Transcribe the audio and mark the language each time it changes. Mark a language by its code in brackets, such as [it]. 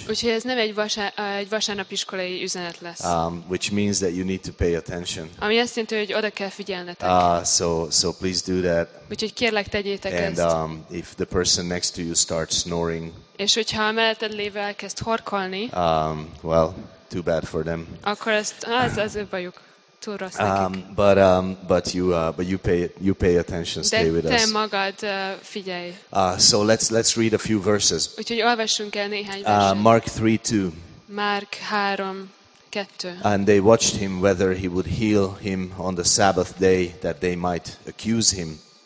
[hu] Úgyhogy ez nem egy vasárnapiskolai üzenet lesz. [en] Which means that you need to pay attention. [hu] Ami azt jelenti, hogy oda kell figyelnetek. [en] So please do that. [hu] Úgyhogy kérlek, tegyétek ezt. [en] And if the person next to you starts snoring. [hu] És hogyha a melletted lévő elkezd horkolni. [en] Well, too bad for them. [hu] Akkor ezt az ő bajuk. Túl rossz [en] nekik. But you pay attention, stay with us. [hu] De te magad figyelj. [en] So let's read a few verses. [hu] Úgyhogy olvassunk el néhány verset. [en] Mark 3:2. Mark 3:2. And they watched him whether he would heal him on the Sabbath day that they might accuse him.